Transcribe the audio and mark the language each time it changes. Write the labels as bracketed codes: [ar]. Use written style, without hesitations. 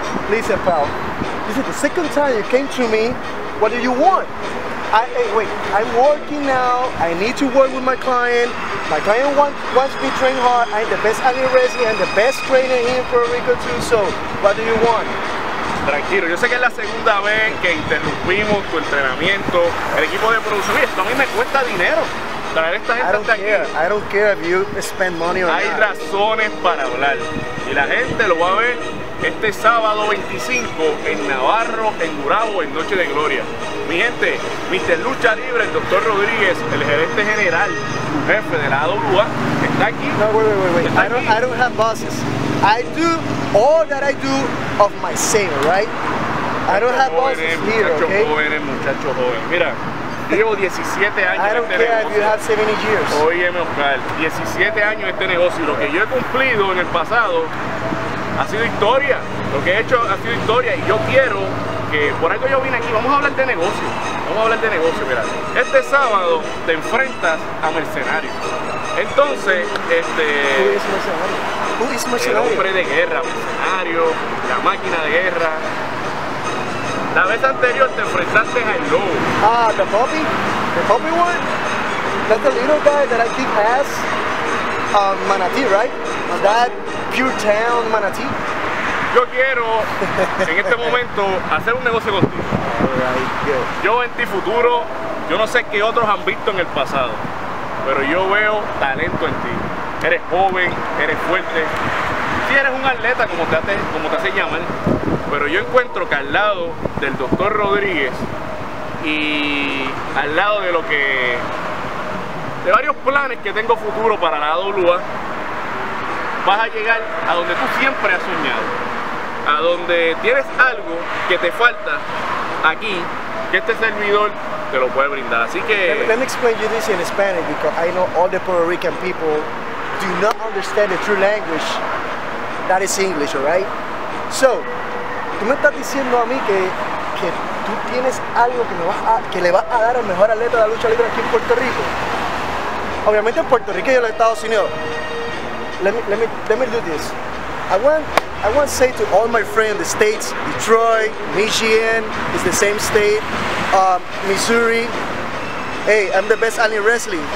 [en] Listen, pal. This is the second time you came to me. What do you want? I'm working now. I need to work with my client. My client wants me to train hard. I'm the best alien wrestler and the best trainer here in Puerto Rico, too. So, what do you want? [es] Tranquilo, yo sé que es la segunda vez que interrumpimos tu entrenamiento. El equipo de producción, esto a mí me cuesta dinero. Traer esta gente hasta aquí. [en] I don't care if you spend money or not. [es] Hay razones para hablar. Y la gente lo va a ver este sábado 25 en Navarro, en Gurabo, en Noche de Gloria. Mi gente, Mr. Lucha Libre, el Dr. Rodríguez, el gerente general, su jefe de la AWA, está aquí. [en] No, wait. I don't have bosses. I do all that I do of myself, right? I don't have bosses here, okay? [es] Muchachos jóvenes. Mira, llevo 17 años en este negocio. [en] I don't care if you have 70 years. [es] Óyeme, Oscar, 17 años en este negocio. Lo que yo he cumplido en el pasado ha sido historia. Lo que he hecho ha sido historia. Y yo quiero que, por algo yo vine aquí, vamos a hablar de negocio. Mira, este sábado te enfrentas a Mercenario. Entonces, ¿Quién es Mercenario? El hombre de guerra, Mercenario, la máquina de guerra. La vez anterior te enfrentaste al Lobo. [en] Ah, the puppy? The puppy one? That's the little guy that I kick ass? Manatee, right? That pure town Manatee? [es] Yo quiero, en este momento, hacer un negocio contigo. Yo en ti futuro, yo no sé qué otros han visto en el pasado, pero yo veo talento en ti. Eres joven, eres fuerte. Si eres un atleta, como te hace llamar, pero yo encuentro que al lado del Dr. Rodríguez y al lado de lo que, de varios planes que tengo futuro para la AWA, vas a llegar a donde tú siempre has soñado, a donde tienes algo que te falta aquí, que este servidor te lo puede brindar. Así que [en] let me explain you this in Spanish, because I know all the Puerto Rican people do not understand the true language that is English, alright? [es] So, tú me estás diciendo a mí que tú tienes algo que le vas a dar al mejor atleta de la lucha libre aquí en Puerto Rico. Obviamente en Puerto Rico y en los Estados Unidos. [en] Let me do this. I want to say to all my friends in the States, Detroit, Michigan, it's the same state, Missouri, hey, I'm the best alien wrestling.